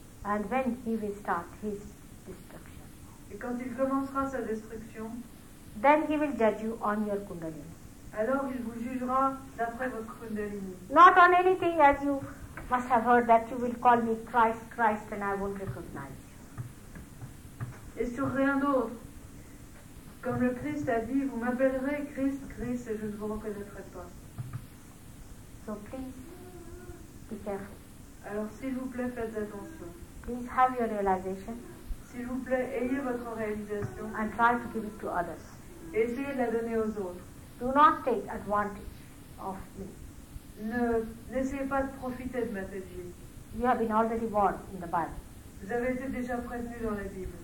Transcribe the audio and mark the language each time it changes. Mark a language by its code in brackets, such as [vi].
[en] And when he will start his destruction. [fr] Et quand il commencera sa destruction. [en] Then he will judge you on your kundalini. [fr] Alors il vous jugera d'après votre kundalini. [en] Not on anything, as you must have heard, that you will call me Christ, Christ, and I won't recognize. [fr] Et sur rien d'autre, comme le Christ a dit, vous m'appellerez Christ, Christ, et je ne vous reconnaîtrai pas. [en] So please, be careful. [fr] Alors s'il vous plaît, faites attention. [en] Please have your realization. [fr] S'il vous plaît, ayez votre réalisation. [en] And try to give it to others. [fr] Et essayez de la donner aux autres. [en] Do not take advantage of me. [fr] N'essayez pas de profiter de ma tête. [en] You have been already born in the Bible. [fr] Vous avez été déjà prévenu dans la Bible.